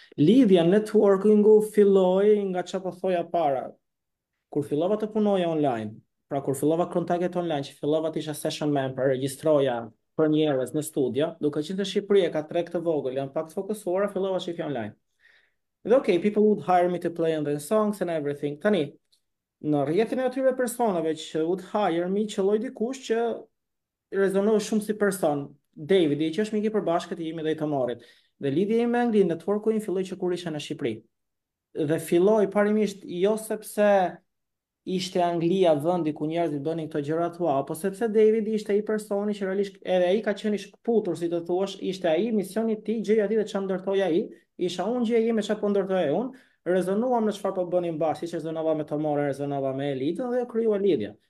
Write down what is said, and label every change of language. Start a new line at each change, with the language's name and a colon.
Albanian: Lidhja networkingu filloi nga çka po thoja para. Kur fillova të punoja online, pra kur fillova kontaktet online, që fillova të isha session member, regjistroja për njerëz në studio, duke qenë në Shqipëri e ka treg të vogël, jam pak të fokusuara, fillova shifja online.
English: Dhe okay, people would hire me to play on their songs and everything.
Albanian: Tani, në rrjetin e atyre personave që
English: would hire me,
Albanian: qëlloj dikush që rezonoj shumë si person, Davidi, që është mik i përbashkët i imi dhe i të morit. Dhe lidhje i me Anglinë, networku im filloj që kur isha në Shqipëri. Dhe filloj parimisht jo sepse ishte Anglia vendi ku njerëzit bënin këto gjëra të huaj, po sepse Davidi ishte ai personi që realisht edhe ai ka qenë i shkputur, si të thuash, ishte ai misioni i tij, gjëja e tij dhe çfarë ndërtoi ai, isha unë gjëja ime çfarë po ndërtoi unë, rezonuam në çfarë po bënim bashkë, siç rezonova me Tomore, rezonova me Elitën dhe krijuam lidhje.